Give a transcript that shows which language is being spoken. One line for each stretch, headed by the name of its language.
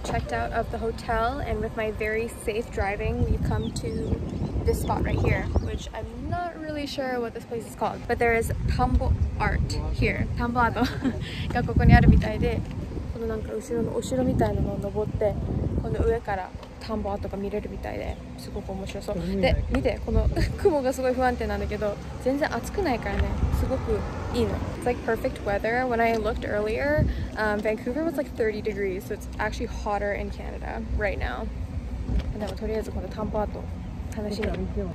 English: Out of the hotel, and with my very safe driving, we've come to this spot right here, which I'm not really sure what this place is called, but there is tambo art here.
Japanese: Tambo art がここにあるみたいで、このなんか後ろのお城みたいなのを登って、この上から田んぼ跡が見れるみたいで、すごく面白そう。で、見て、この雲がすごい不安定なんだけど、全然暑くないからね、すごくいいの。
English: It's like perfect weather. When I looked earlier, Vancouver was like 30 degrees, so it's actually hotter in Canada right now.
Japanese: でもとりあえずこの田んぼ跡、楽しみに。